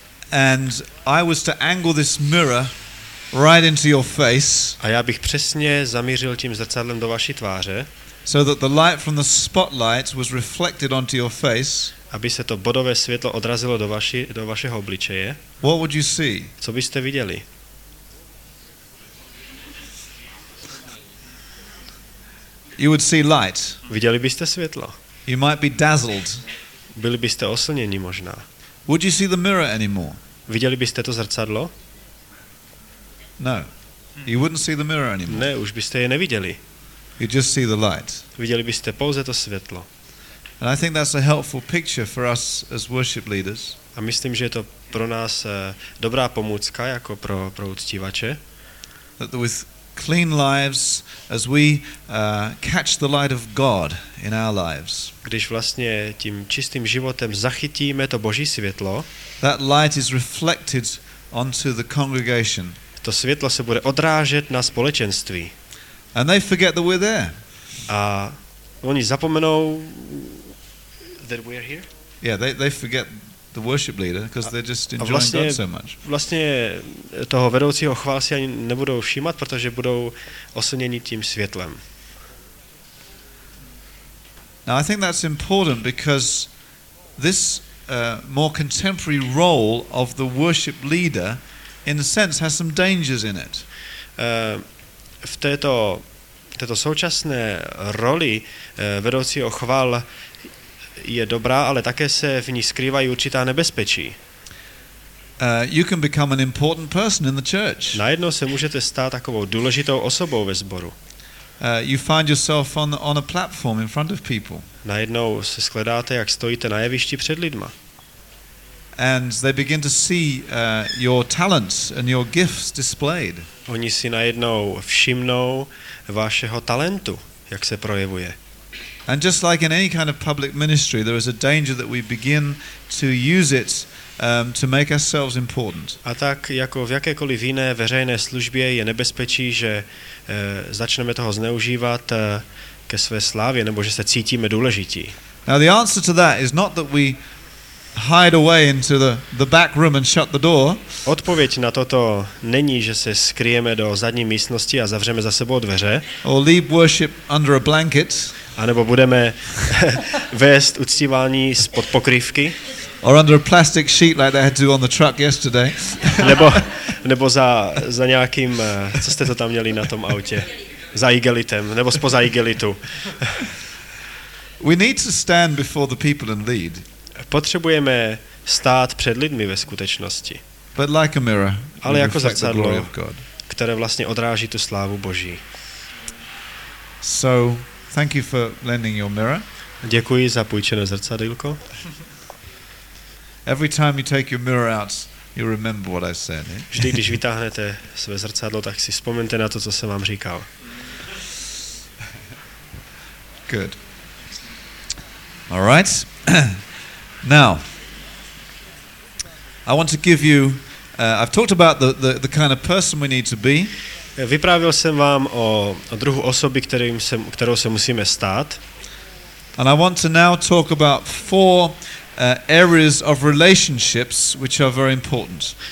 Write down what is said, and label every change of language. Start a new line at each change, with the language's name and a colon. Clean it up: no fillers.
English: and I was to angle this mirror right into your face,
Czech: a já bych přesně zamířil tím zrcadlem do vaší tváře,
English: so that the light from the spotlight was reflected onto your face,
Czech: aby se to bodové světlo odrazilo do vašeho obličeje,
English: what would you see?
Czech: Co byste viděli?
English: You would see light.
Czech: Viděli byste světlo.
English: You might be dazzled.
Czech: Byli byste oslněni možná.
English: Would you see the mirror anymore?
Czech: Viděli byste to zrcadlo?
English: No. You wouldn't see the mirror anymore.
Czech: Ne, už byste je neviděli.
English: You just see the light.
Czech: Viděli byste pouze to světlo.
English: And I think that's a helpful picture for us as worship leaders.
Czech: A myslím, že je to pro nás dobrá pomůcka jako pro uctívače.
English: That with clean lives as we catch the light of God in our lives.
Czech: Když vlastně tím čistým životem zachytíme to Boží světlo,
English: that light is reflected onto the congregation.
Czech: To světlo se bude odrážet na společenství.
English: And they forget that we're there.
Czech: A oni zapomenou
English: that we're here. Yeah, they forget the worship leader because they're just enjoying
Czech: vlastně,
English: God so much.
Czech: Vlastně toho vedoucího chvál si ani nebudou všímat, protože budou oslněni tím světlem.
English: Now I think that's important because this more contemporary role of the worship leader in a sense has some dangers in it.
Czech: V této současné roli vedoucího chvál je dobrá, ale také se v ní skrývají určitá nebezpečí.
English: You can become an important person in the church.
Czech: Najednou se můžete stát takovou důležitou osobou ve sboru.
English: You find yourself on a platform in front of people.
Czech: Najednou se skládáte, jak stojíte na jevišti před lidma.
English: And they begin to see your talents and your gifts displayed.
Czech: Oni si najednou všimnou vašeho talentu, jak se projevuje.
English: And just like in any kind of public ministry, there is a danger that we begin to use it to make ourselves important.
Czech: A tak jako v jakékoliv jiné veřejné službě je nebezpečí, že začneme toho zneužívat ke své slávě, nebo že se cítíme důležití.
English: Now the answer to that is not that we hide away into the back room and shut the door.
Czech: Odpověď na toto není, že se skryjeme do zadní místnosti a zavřeme za sebou dveře.
English: Or leave worship under a blanket.
Czech: A nebo budeme vést uctívání spod pokrývky.
English: Or under a plastic sheet like they had to on the truck yesterday.
Czech: nebo za nějakým, co jste to tam měli na tom autě? Za igelitem, nebo spoza igelitu.
English: We need to stand before the people and lead.
Czech: Potřebujeme stát před lidmi ve skutečnosti.
English: But like a mirror,
Czech: ale jako zrcadlo, které vlastně odráží tu slávu Boží.
English: So, thank you for lending your mirror.
Czech: Děkuji za půjčené zrcadlo.
English: Every time you take your mirror out, you remember what I said.
Czech: Vždy, když vytáhnete své zrcadlo, tak si vzpomeňte na to, co jsem vám říkal.
English: Good. All right. Now, I want to give you. I've talked about the kind of person we need to be.
Czech: Vyprávil jsem vám o druhu osoby, kterou se musíme stát.
English: And I want to now talk about four areas of relationships which are very important.